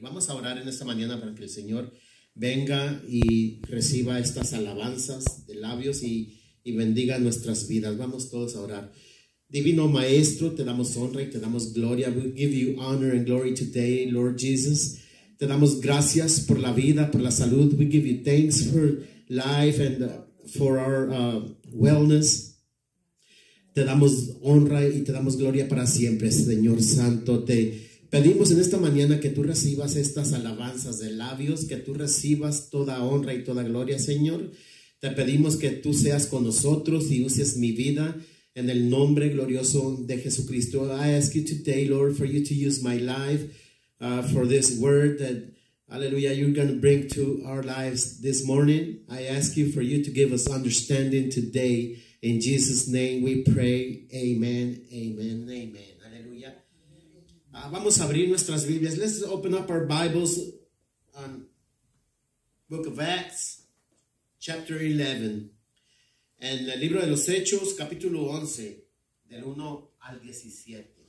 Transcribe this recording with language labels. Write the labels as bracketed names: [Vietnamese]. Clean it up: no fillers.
[Spanish] Vamos a orar en esta mañana para que el Señor venga y reciba estas alabanzas de labios y bendiga nuestras vidas. Vamos todos a orar. Divino Maestro, te damos honra y te damos gloria. [English] We give you honor and glory today, Lord Jesus. [Spanish] Te damos gracias por la vida, por la salud. [English] We give you thanks for life and for our wellness. [Spanish] Te damos honra y te damos gloria para siempre, Señor Santo. Te pedimos en esta mañana que tú recibas estas alabanzas de labios, que tú recibas toda honra y toda gloria, Señor. Te pedimos que tú seas con nosotros y uses mi vida en el nombre glorioso de Jesucristo. [English] I ask you today, Lord, for you to use my life for this word that, hallelujah, you're going to bring to our lives this morning. I ask you for you to give us understanding today. In Jesus' name we pray, amen, amen, amen. Aleluya. [Spanish] Vamos a abrir nuestras Biblias. [English] Let's open up our Bibles on Book of Acts, chapter 11. [Spanish] En el libro de los Hechos, capítulo 11, del 1 al 17.